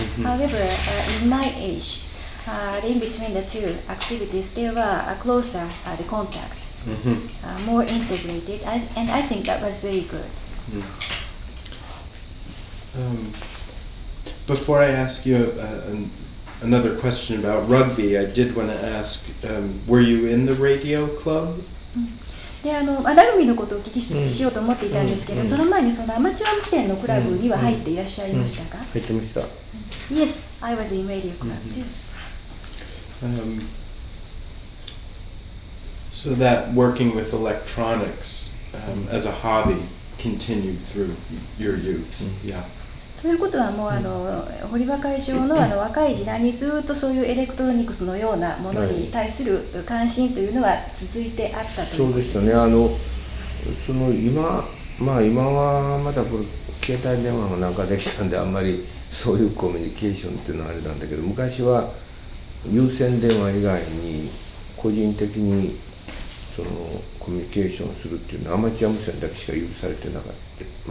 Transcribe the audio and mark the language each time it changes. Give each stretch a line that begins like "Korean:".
English: However, in my age, in between the two activities, there were a closer the contact, more integrated, and I think that was very good. Before I ask you another question about rugby, I did want to ask, were you in the radio club?
Japanese: でラグビーのことをお聞きしようと思っていたんですけど、その前にそのアマチュア無線のクラブには入っていらっしゃいましたか？入ってました。
English: Yes, I was in radio club too. So that working with electronics as a hobby continued through your youth.
Japanese: ということはもう堀場会長 の若い時代にずっとそういうエレクトロニクスのようなものに対する関心というのは続いてあったと思うんですそうですよね。今はまだこれ携帯電話がなんかできたんであんまりそういうコミュニケーションっていうのはあれなんだけど、昔は有線電話以外に個人的にそのコミュニケーションするっていうのはアマチュア無線だけしか許されてなかった。